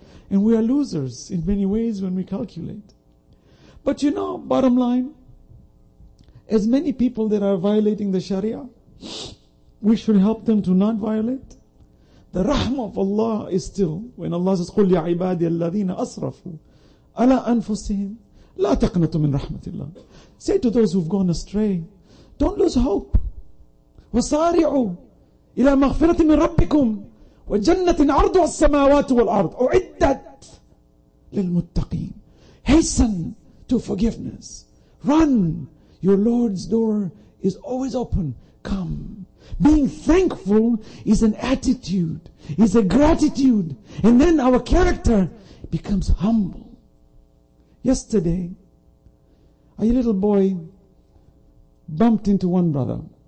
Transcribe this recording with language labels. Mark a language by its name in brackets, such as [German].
[English] And we are losers in many ways when we calculate. But you know, bottom line, as many people that are violating the Sharia, we should help them to not violate. The rahmah of Allah is still, when Allah says, [Arabic] قُلْ يَا عِبَادِيَ الَّذِينَ أَسْرَفُوا عَلَىٰ أَنفُسِهِمْ لا تقنطوا من رحمة الله. [English] Say to those who've gone astray, don't lose hope. [Arabic] وصارعوا إلى مغفرة من ربكم وجنة عرضها السماوات والأرض أعدت للمتقين. [English] Hasten to forgiveness. Run. Your Lord's door is always open. Come. Being thankful is an attitude, is a gratitude. And then our character becomes humble. Yesterday, a little boy bumped into one brother.